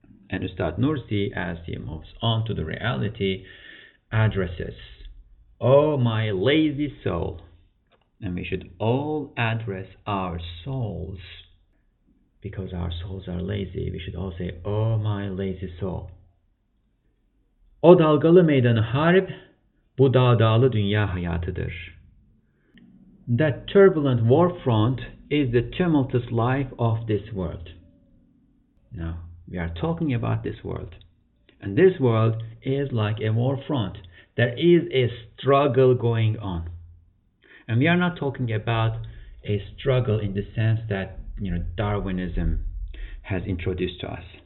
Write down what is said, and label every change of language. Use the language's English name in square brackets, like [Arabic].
[English] And Ustad Nursi, as he moves on to the reality, addresses, oh my lazy soul. And we should all address our souls. Because our souls are lazy, we should all say, oh my lazy soul. [Turkish] O dalgalı meydanı harip, bu dağdağlı dünya hayatıdır. [English] That turbulent war front is the tumultuous life of this world. Now, we are talking about this world. And this world is like a war front. There is a struggle going on. And we are not talking about a struggle in the sense that, you know, Darwinism has introduced to us.